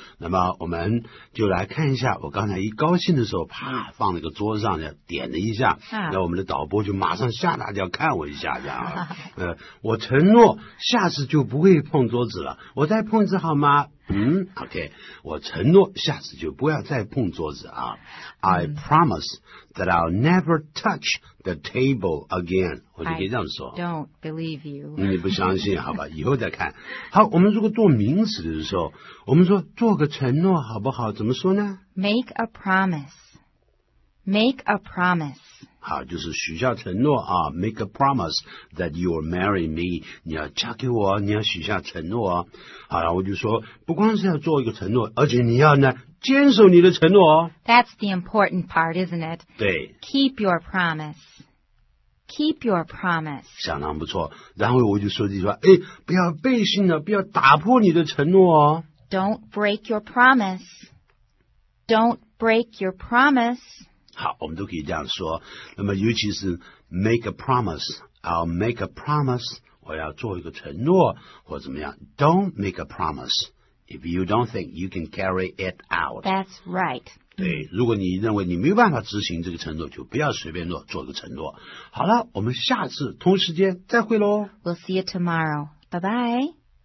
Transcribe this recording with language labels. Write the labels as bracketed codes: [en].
[zh] 那么我们就来看一下，我刚才一高兴的时候，啪放了个桌子上，点了一下，那我们的导播就马上吓大家看我一下，这样，我承诺下次就不会碰桌子了，我再碰一次好吗？ OK， 我承诺下次就不要再碰桌子啊。 [en] I promise that I'll never touch the table again. [zh] 我就可以这样说。 [en] I don't believe you. [zh] 你不相信好吧，以后再看。好，我们如果做名词的时候，我们说做个承诺好不好，怎么说呢？ [en] Make a promise. Make a promise. [zh] 好，就是许下承诺啊。 [en] Make a promise that you'll marry me， [zh] 你要嫁给我，你要许下承诺啊。好，然后我就说不光是要做一个承诺，而且你要呢坚守你的承诺哦。 [en] That's the important part, isn't it? [zh] 对， [en] Keep your promise. Keep your promise. [zh] 相当不错。然后我就说这句话，哎，不要背信了，不要打破你的承诺哦。 [en] Don't break your promise. Don't break your promise. [zh] 好，我们都可以这样说。那么尤其是 [en] make a promise， I'll make a promise， [zh] 我要做一个承诺或怎么样。 [en] Don't make a promise if you don't think you can carry it out. That's right. [zh] 对，如果你认为你没有办法执行这个承诺，就不要随便做一个承诺。好了，我们下次同时间再会咯。 [en] We'll see you tomorrow. Bye bye.